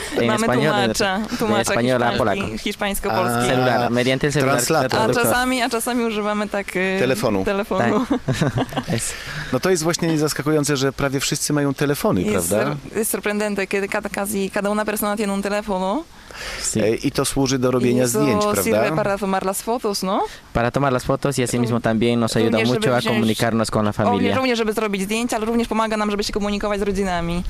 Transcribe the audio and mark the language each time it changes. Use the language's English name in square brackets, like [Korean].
[Polish] En mamy [Spanish] español, [Polish] tłumacza [Spanish] español, polaco. [Polish] Hiszpańsko-polski. [Spanish] Mediante el celular. [Polish] A czasami używamy tak... Telefonu. Tak. No to jest właśnie zaskakujące, że prawie wszyscy mają telefony, prawda? Jest [Spanish] sorprendente, que cada una persona tiene un teléfono. Sí. [Polish] I to służy do robienia zdjęć, prawda? [Spanish] Para tomar las fotos, no? Para tomar las fotos y asimismo también nos ayuda mucho a comunicarnos con la familia. [Polish] Również, żeby zrobić zdjęcia, ale również pomaga nam, żeby się komunikować z rodzinami.